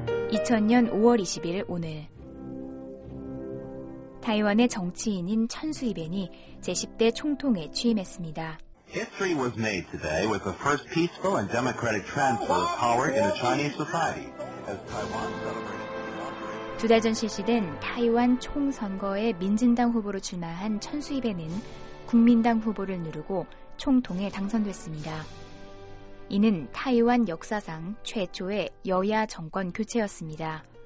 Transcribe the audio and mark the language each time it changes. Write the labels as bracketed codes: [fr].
[ko] 2000년 5월 20일 오늘 타이완의 정치인인 천수 이벤이 제10대 총통에 취임했습니다. [en] History was made today with the first peaceful and democratic transfer of power in the Chinese society as Taiwan celebrated. [ko] 두 달 전 실시된 타이완 총선거에 민진당 후보로 출마한 천수 이벤은 국민당 후보를 누르고 총통에 당선됐습니다. 이는 타이완 역사상 최초의 여야 정권 교체였습니다.